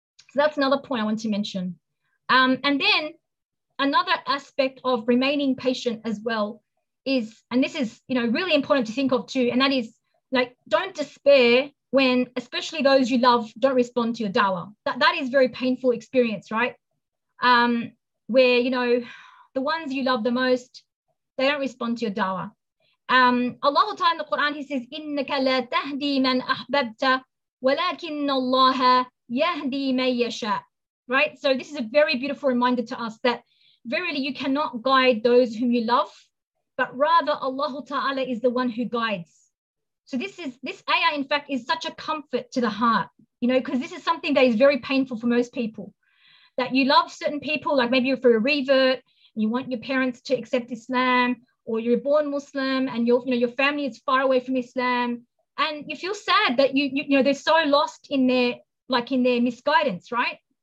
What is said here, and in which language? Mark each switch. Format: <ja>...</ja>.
<en>So that's another point I want to mention. And then another aspect of remaining patient as well is, and this is, you know, really important to think of too, and that is, like, don't despair when especially those you love don't respond to your da'wah. That is a very painful experience, right? Where, you know, the ones you love the most, they don't respond to your da'wah. Allah Ta'ala in the Quran, he says,</en> <ar>إِنَّكَ لَا تَهْدِي مَنْ أَحْبَبْتَ وَلَكِنَّ اللَّهَ يَهْدِي مَنْ يَشَاءُ.</ar> <en>Right? So this is a very beautiful reminder to us that verily you cannot guide those whom you love, but rather Allah Ta'ala is the one who guides. So this ayah, in fact, is such a comfort to the heart, you know, because this is something that is very painful for most people, that you love certain people, like maybe you're for a revert, and you want your parents to accept Islam, or you're born Muslim and you're, you know, your family is far away from Islam, and you feel sad that you know, they're so lost in their, like in their misguidance, right?</en>